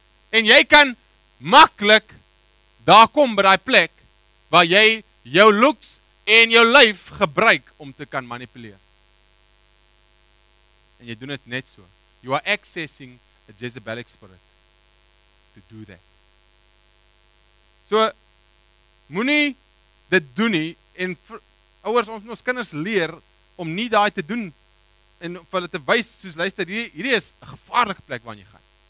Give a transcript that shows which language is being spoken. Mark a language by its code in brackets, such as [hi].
[af] En jy kan maklik daar kom by die plek, waar jy jou looks en jou lyf gebruik, om te kan manipuleer. En jy doen het net so. [en] You are accessing a Jezebelic spirit to do that. [af] So, moenie dit doen nie, en ouers, ons kinders leer om nie daai te doen en vir hulle te wys, soos luister, hierdie is 'n gevaarlike plek waar jy gaan.